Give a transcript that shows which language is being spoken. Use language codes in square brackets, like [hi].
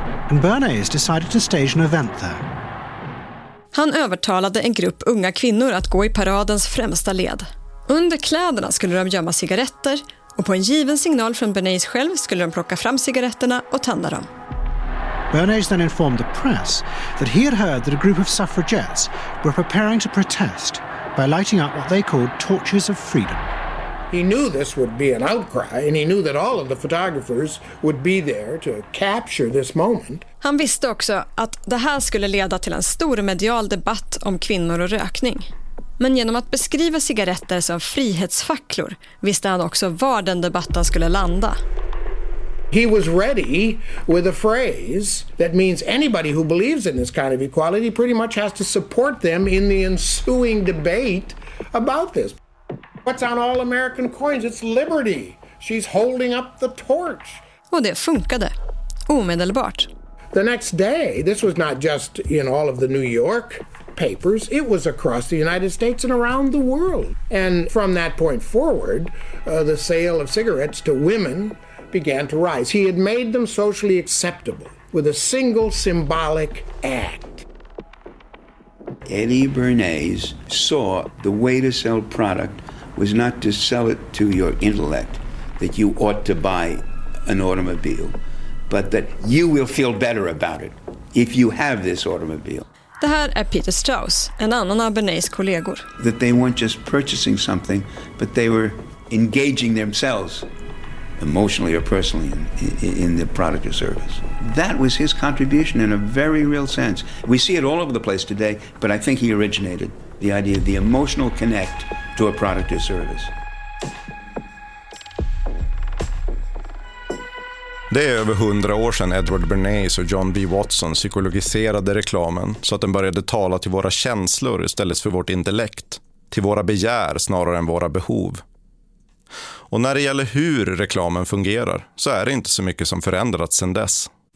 [en] And Bernays decided to stage an event there. [sv] Han övertalade en grupp unga kvinnor att gå i paradens främsta led. Under kläderna skulle de gömma cigaretter, och på en given signal från Bernays själv skulle de plocka fram cigaretterna och tända dem. [en] Bernays then informed the press that he had heard that a group of suffragettes were preparing to protest by lighting up what they called torches of freedom. He knew this would be an outcry, and he knew that all of the photographers would be there to capture this moment. [sv] Han visste också att det här skulle leda till en stor medial debatt om kvinnor och rökning. Men genom att beskriva cigaretter som frihetsfacklor visste han också var den debatten skulle landa. [en] He was ready with a phrase that means anybody who believes in this kind of equality pretty much has to support them in the ensuing debate about this. What's on all American coins? It's liberty. She's holding up the torch. [sv] Och det funkade. Omedelbart. [en] The next day, this was not just in all of the New York papers. It was across the United States and around the world. And from that point forward, the sale of cigarettes to women began to rise. He had made them socially acceptable with a single symbolic act. Eddie Bernays saw the way to sell product was not to sell it to your intellect that you ought to buy an automobile, but that you will feel better about it if you have this automobile. [sv] Det här är Peter Strauss, en annan av Bernays kollegor. [en] That they weren't just purchasing something, but they were engaging themselves emotionally or personally in the product or service. That was his contribution in a very real sense. We see it all over the place today, but I think he originated the idea of the emotional connect to a product or service. [sv] Det är över 100 år sedan Edward Bernays och John B. Watson psykologiserade reklamen så att den började tala till våra känslor istället för vårt intellekt, till våra begär snarare än våra behov. Och när det gäller hur reklamen fungerar så är det inte så mycket som förändrats sedan dess.